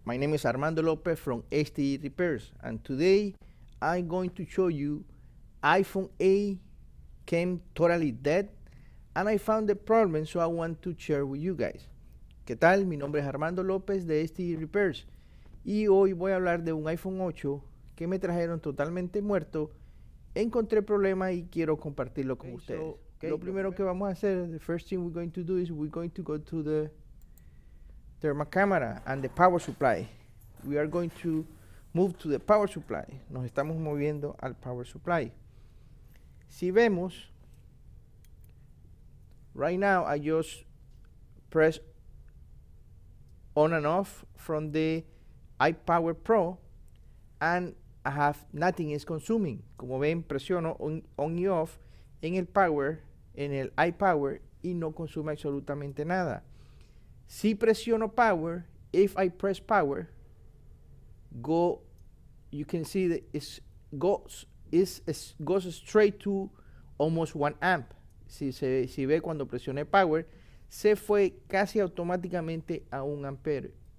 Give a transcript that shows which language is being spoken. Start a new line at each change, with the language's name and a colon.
English: My name is Armando Lopez from STE Repairs, and today I'm going to show you iPhone 8 came totally dead, and I found the problem, so I want to share with you guys.
Spanish: ¿Qué tal? Mi nombre es Armando Lopez de STE Repairs, y hoy voy a hablar de un iPhone 8 que me trajeron totalmente muerto. Encontré problema y quiero compartirlo con ustedes. Lo primero que vamos a hacer,
English: the first thing we're going to do is we're going to go to the thermal camera and the power supply. We are going to move to the power supply.
Spanish: Nos estamos moviendo al power supply. Si vemos,
English: right now I just press on and off from the iPower Pro and I have nothing is consuming.
Spanish: Como ven, presiono on y off en el power, en el iPower y no consume absolutamente nada. Si presiono power,
English: if I press power, go, you can see that it goes straight to almost 1 amp.
Spanish: Si ve cuando presioné power, se fue casi automáticamente a 1 ampere.